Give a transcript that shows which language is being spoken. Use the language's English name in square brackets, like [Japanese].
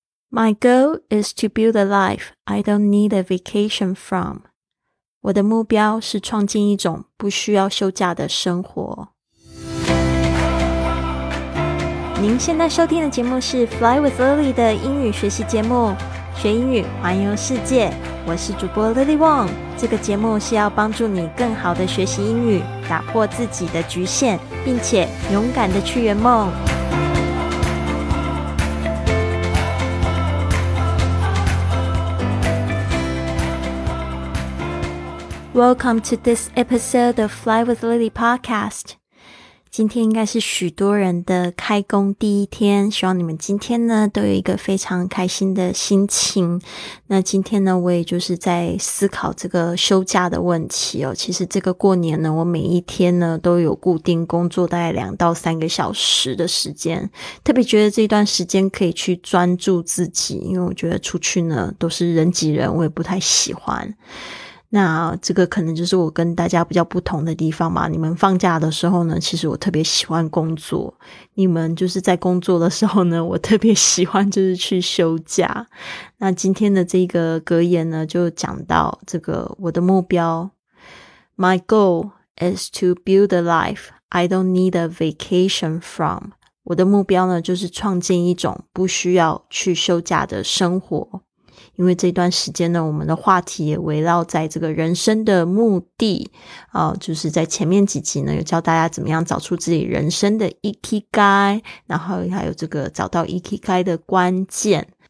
[English] My goal is to build a life I don't need a vacation from. [Chinese] 我的目标是创建一种不需要休假的生活。您现在收听的节目是 Fly with Lily 的英语学习节目，学英语，环游世界。我是主播 Lily Wong。这个节目是要帮助你更好的学习英语，打破自己的局限，并且勇敢的去圆梦。 [English] Welcome to this episode of Fly with Lily podcast. [Chinese] 今天应该是许多人的开工第一天，希望你们今天呢都有一个非常开心的心情。那今天呢，我也就是在思考这个休假的问题哦。其实这个过年呢，我每一天呢都有固定工作大概两到三个小时的时间，特别觉得这段时间可以去专注自己，因为我觉得出去呢都是人挤人，我也不太喜欢。那这个可能就是我跟大家比较不同的地方嘛。你们放假的时候呢，其实我特别喜欢工作，你们就是在工作的时候呢，我特别喜欢就是去休假。那今天的这个格言呢，就讲到这个我的目标， [English] My goal is to build a life I don't need a vacation from. [Chinese] 我的目标呢，就是创建一种不需要去休假的生活。因为这段时间呢，我们的话题也围绕在这个人生的目的，就是在前面几集呢有教大家怎么样找出自己人生的 Ikigai， 然后还有这个找到 Ikigai 的关键。